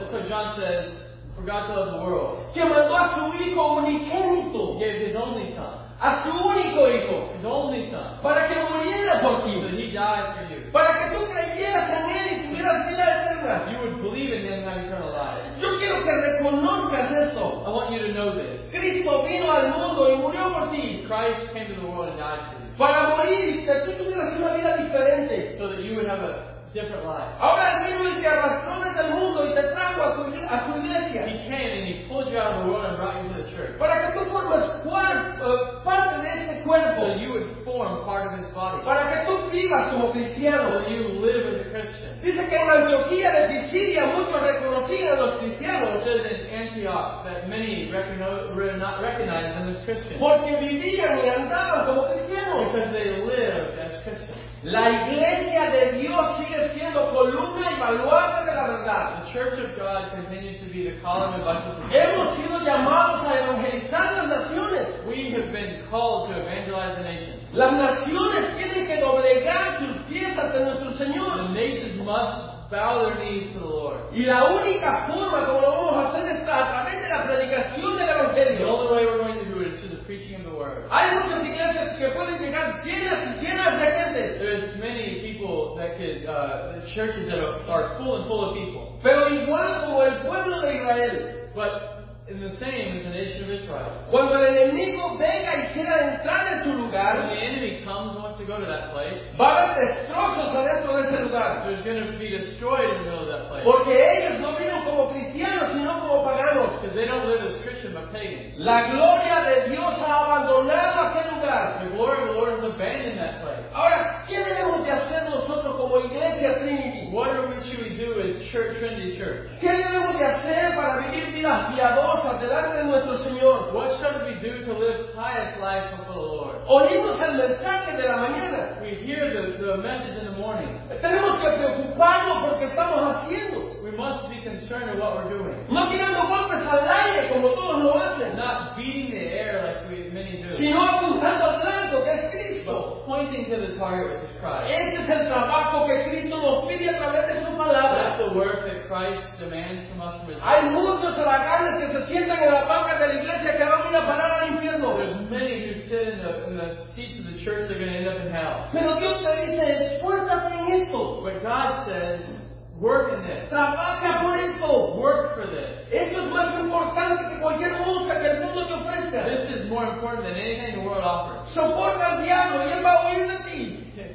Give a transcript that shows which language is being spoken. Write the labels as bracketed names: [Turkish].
[English] John says, for God so loved the world, [Spanish] que mandó a su hijo unigénito, [English] gave his only son, [Spanish] a su único hijo, [English] his only son, [Spanish] para que muriera por ti, [English] so he died for you, [Spanish] para que tú creyeras en él y tuvieras vida eterna, [English] you would believe in him and have eternal life. [Spanish] Yo quiero que reconozcas esto. [English] I want you to know this. [Spanish] Cristo vino al mundo y murió por ti. [English] Christ came to the world and died for you. [Spanish] Para morir, que tú tuvieras una vida diferente. [English] So that you would have a different life. [Spanish] Ahora el mismo es que arrastró desde el mundo y te trajo a tu iglesia. [English] He came and he pulled you out of the world and brought you to the church. [Spanish] Para que tú formes parte de este cuerpo. [English] So you would form part of his body. [Spanish] Para que tú vivas como cristiano. [English] So you live as a Christian. [Spanish] Dice que en Antioquía de Pisidia muchos reconocían a los cristianos. [English] It says in Antioch that many recognized them as Christians. [Spanish] Porque vivían y andaban como cristianos. [English] Because they lived as Christians. [Spanish] La iglesia de Dios sigue siendo columna y baluarte de la verdad. [English] The church of God continues to be the column and baluarte of the truth. [Spanish] Hemos sido llamados a evangelizar las naciones. [English] We have been called to evangelize the nations. [Spanish] Las naciones tienen que doblegar sus pies ante nuestro Señor. [English] The nations must bow their knees to the Lord. [Spanish] Y la única forma como lo vamos a hacer está a través de la predicación del evangelio. [English] The only way we're going to do it is through the preaching of the word. [Spanish] Hay muchas iglesias que pueden llegar llenas y llenas de gente. [English] There's many people that could, churches that are full and full of people. [Spanish] Pero igual como el pueblo de Israel. [English] But in the same as the nation of Israel. [Spanish] Cuando el enemigo venga y quiera entrar en tu lugar. [English] When the enemy comes and wants to go to that place. [Spanish] Va a haber destrozos adentro de ese lugar. [English] There's going to be destroyed in the middle of that place. [Spanish] Porque ellos no vienen como cristianos, sino como paganos. [English] Because they don't live as Christian, but pagans. [Spanish] La gloria de Dios ha abandonado aquel lugar. [English] The glory of the Lord has abandoned that place. [Spanish] Ahora, ¿qué debemos de hacer nosotros como iglesia Trinity? [English] What are we should we do as Church Trinity Church? [Spanish] ¿Qué debemos de hacer para vivir vidas piadosas delante de nuestro Señor? [English] What should we do to live pious lives before the Lord? [Spanish] Oímos el mensaje de la mañana. [English] We hear the message in the morning. [Spanish] Tenemos que preocuparnos por lo que estamos haciendo. [English] We must be concerned of what we're doing. [Spanish] No tirando golpes al aire como todos lo hacen. [English] Not beating the air like many do. [Spanish] Sino apuntando al blanco que es Cristo. [English] But pointing to the target, which is Christ. [Spanish] Este es el trabajo que Cristo nos pide a través de su palabra. [English] That's the work that Christ demands from us. [Spanish] Hay muchos alacranes que se sientan en la banca de la iglesia que van a parar al infierno. [English] There's many who sit in the seats of the church that are going to end up in hell. [Spanish] Pero Dios te dice, esfuérzate en esto. [English] But God says, work in this. [Spanish] Trabaja por esto. [English] Work for this. [Spanish] Esto es más importante que cualquier cosa que el mundo te ofrezca. [English] This is more important than anything the world offers. [Spanish] Soporta al diablo y él va a huir de ti.